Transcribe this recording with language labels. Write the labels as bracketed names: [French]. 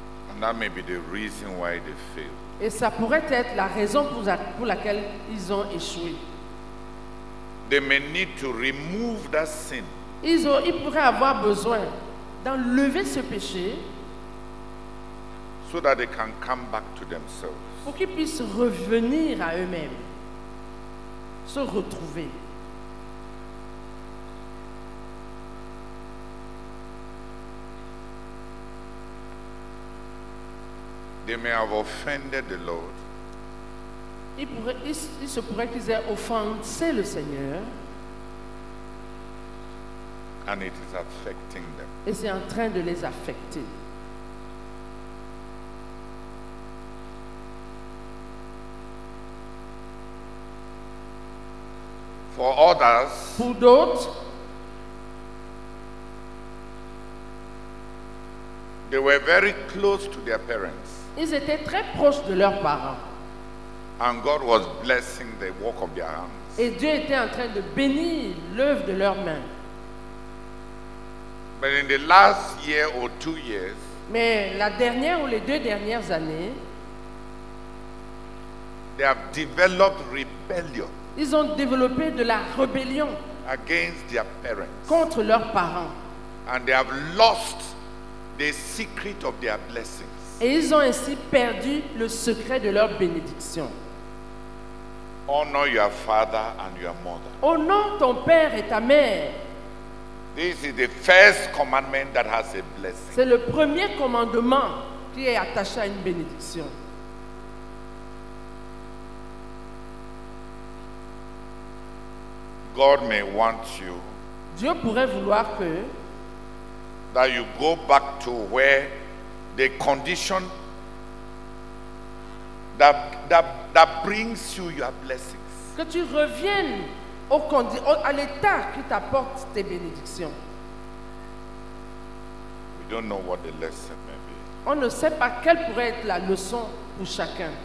[English] And that may be the reason why they failed. [French] Et ça pourrait être la raison pour laquelle ils ont échoué. [English] They may need to remove that sin. [French] Ils pourraient avoir besoin d'enlever ce péché [English] so that they can come back to themselves. [French] Pour qu'ils puissent revenir à eux-mêmes, se retrouver. [English] They may have offended the Lord. [French] Il se pourrait qu'ils aient offensé le Seigneur. [English] And it is affecting them. [French] Et c'est en train de les affecter. [English] For others, [French] pour d'autres, [English] they were very close to their parents. [French] Ils étaient très proches de leurs parents. [English] And God was blessing the work of their hands. [French] Et Dieu était en train de bénir l'œuvre de leurs mains. [English] But in the last year or 2 years, [French] mais la dernière ou les deux dernières années, [English] they have developed rebellion. [French] Ils ont développé de la rébellion [English] against their parents. [French] Contre leurs parents. [English] And they have lost the secret of their blessings. [French] Et ils ont ainsi perdu le secret de leur bénédiction. [English] Honor your father and your mother. [French] Honore ton père et ta mère. [English] This is the first commandment that has a blessing. [French] C'est le premier commandement qui est attaché à une bénédiction. [English] God may want you. [French] Dieu pourrait vouloir que [English] that you go back to where the condition that brings you your blessings. [French] Que tu reviennes à l'état qui t'apporte tes bénédictions. [English] We don't know what the lesson may be. [French] On ne sait pas quelle pourrait être la leçon pour chacun.